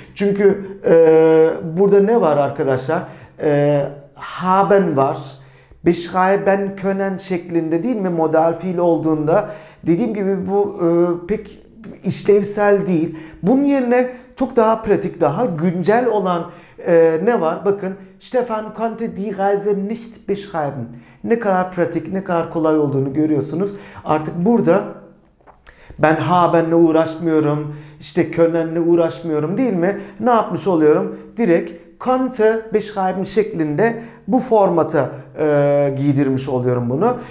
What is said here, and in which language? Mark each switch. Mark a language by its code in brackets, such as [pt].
[tr] Çünkü burada ne var arkadaşlar? Haben var. [de] Beschreiben können [tr] şeklinde değil mi? Modal fiil olduğunda dediğim gibi bu pek işlevsel değil. Bunun yerine çok daha pratik, daha güncel olan ne var? Bakın, [de] Stefan konnte die Reise nicht beschreiben. [tr] Ne kadar pratik, ne kadar kolay olduğunu görüyorsunuz. Artık burada ben haben'le uğraşmıyorum, işte können'le uğraşmıyorum değil mi? Ne yapmış oluyorum? Direkt [de] konnte beschreiben [tr] şeklinde bu formata giydirmiş oluyorum bunu.